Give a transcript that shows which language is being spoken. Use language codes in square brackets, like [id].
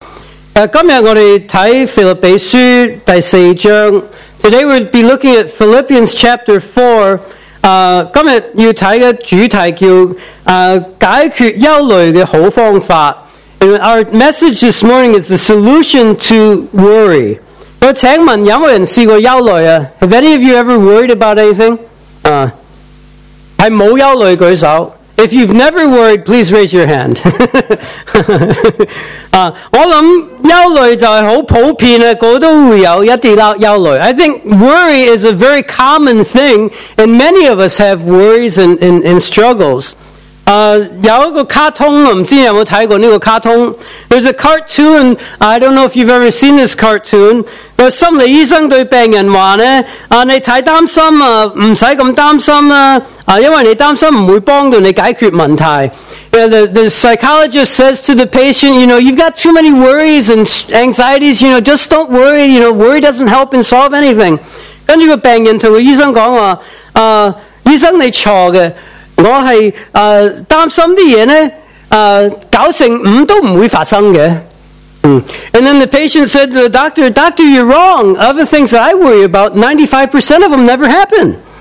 [zh] 今天我们看《腓立比书》第四章。 [en] Today we'll be looking at Philippians chapter 4. [zh] 今天要看的主题叫解决忧虑的好方法。 [en] And our message this morning is the solution to worry. [zh] 我请问有没有人试过忧虑啊？ [en] Have any of you ever worried about anything? [zh] 是没忧虑举手。 [en] If you've never worried, please raise your hand. [zh] 我想忧虑就是很普遍的，个都会有一点忧虑。 [en] I think worry is a very common thing, and many of us have worries and struggles. [zh] 有一个卡通，我不知道有没有看过那个卡通。 [en] There's a cartoon, I don't know if you've ever seen this cartoon. [zh] 心理医生对病人说呢，你太担心啊，不用这么担心啊。因为你担心不会帮助你解决问题。 [en] You know, the psychologist says to the patient, you know, you've got too many worries and anxieties, you know, just don't worry, you know, worry doesn't help and solve anything. [zh] 跟着个病人跟医生讲话，医生你错的，我是担心的事呢，九成五都不会发生的。 [en] And then the patient said to the doctor, doctor, you're wrong. Other things that I worry about, 95% of them never happen.